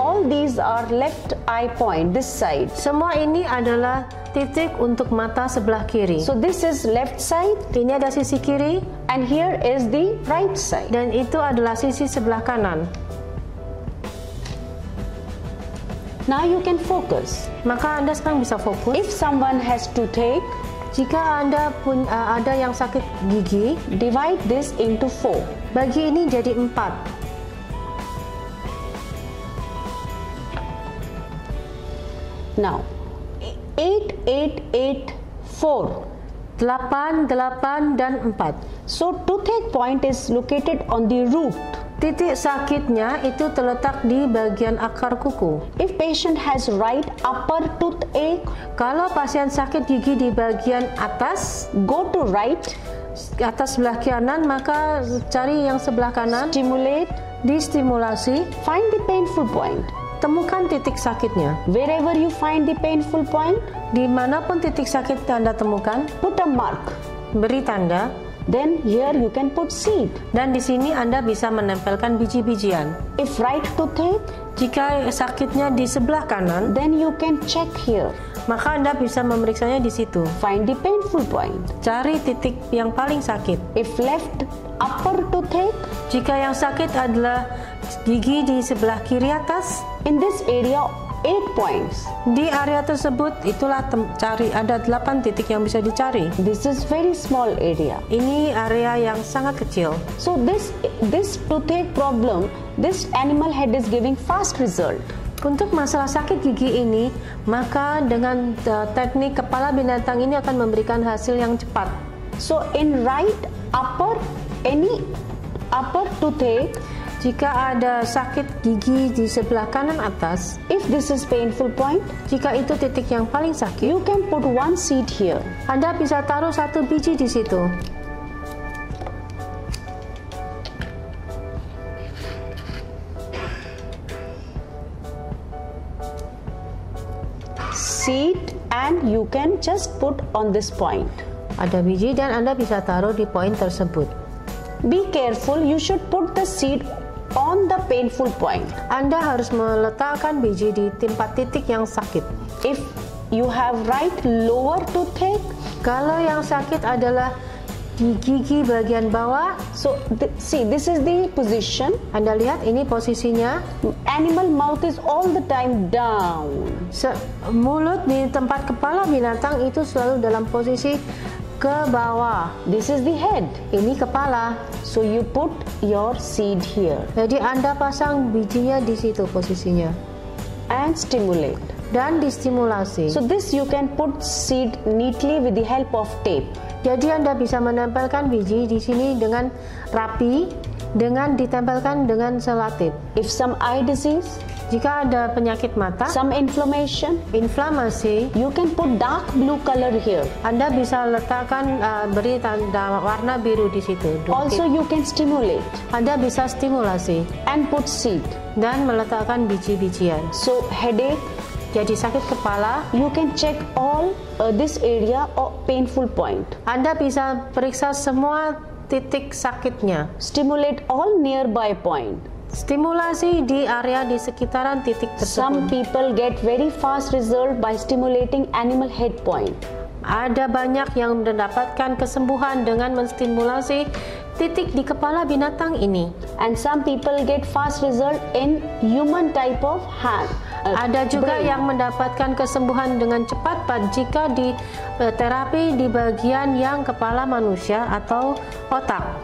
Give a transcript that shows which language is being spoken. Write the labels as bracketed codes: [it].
[en] All these are left eye point this side. [id] Semua ini adalah titik untuk mata sebelah kiri. [en] So this is left side. [id] Ini ada sisi kiri. [en] And here is the right side. [id] Dan itu adalah sisi sebelah kanan. [en] Now you can focus. [id] Maka Anda sekarang bisa fokus. [en] If someone has to take. [id] Jika Anda ada yang sakit gigi, [en] divide this into four. [id] Bagi ini jadi empat. [en] Now, 8, 8, 8, 4. [id] 8, 8 dan 4. [en] So toothache point is located on the root. [id] Titik sakitnya itu terletak di bagian akar kuku. [en] If patient has right upper toothache, [id] kalau pasien sakit gigi di bagian atas, [en] go to right, [id] atas sebelah kanan, maka cari yang sebelah kanan. [en] Stimulate, [id] distimulasi, [en] find the painful point. [id] Temukan titik sakitnya. [en] Wherever you find the painful point, [id] dimanapun titik sakit Anda temukan, [en] put a mark, [id] beri tanda. [en] Then here you can put seed. [id] Dan di sini Anda bisa menempelkan biji-bijian. [en] If right toothache, [id] jika sakitnya di sebelah kanan, [en] then you can check here. [id] Maka Anda bisa memeriksanya di situ. [en] Find the painful point. [id] Cari titik yang paling sakit. [en] If left upper toothache, [id] jika yang sakit adalah Gigi di sebelah kiri atas. [en] In this area, 8 points. [id] Di area tersebut, itulah cari ada 8 titik yang bisa dicari. [en] This is very small area. [id] Ini area yang sangat kecil. [en] So this toothache problem, this animal head is giving fast result. [id] Untuk masalah sakit gigi ini, maka dengan teknik kepala binatang ini akan memberikan hasil yang cepat. [en] So in right upper, any upper toothache, [id] jika ada sakit gigi di sebelah kanan atas, [en] if this is painful point, [id] jika itu titik yang paling sakit, [en] you can put one seed here. [id] Anda bisa taruh satu biji di situ. [en] Seed and you can just put on this point. [id] Ada biji dan Anda bisa taruh di poin tersebut. [en] Be careful, you should put the seed on the painful point. [id] Anda harus meletakkan biji di tempat titik yang sakit. [en] If you have right lower toothache, [id] kalau yang sakit adalah di gigi bagian bawah, [en] so see this is the position. [id] Anda lihat ini posisinya. [en] Animal mouth is all the time down. [id] Mulut di tempat kepala binatang itu selalu dalam posisi ke bawah. [en] This is the head. [id] Ini kepala. [en] So you put your seed here. [id] Jadi Anda pasang bijinya di situ posisinya. [en] And stimulate. [id] Dan distimulasi. [en] So this you can put seed neatly with the help of tape. [id] Jadi Anda bisa menempelkan biji di sini dengan rapi, dengan ditempelkan dengan selotip. [en] If some eye disease, [id] jika ada penyakit mata, [en] some inflammation, [id] inflamasi, [en] you can put dark blue color here. [id] Anda bisa letakkan beri tanda warna biru di situ. [en] Also you can stimulate. [id] Anda bisa stimulasi [en] and put seed [id] dan meletakkan biji-bijian. [en] So headache. [id] Jadi sakit kepala, [en] you can check all this area or painful point. [id] Anda bisa periksa semua titik sakitnya. [en] Stimulate all nearby point. [id] Stimulasi di area di sekitaran titik tersebut. [en] Some people get very fast result by stimulating animal head point. [id] Ada banyak yang mendapatkan kesembuhan dengan menstimulasi titik di kepala binatang ini. [en] And some people get fast result in human type of hand. [id] Ada juga brain. Yang mendapatkan kesembuhan dengan cepat jika di terapi di bagian yang kepala manusia atau otak.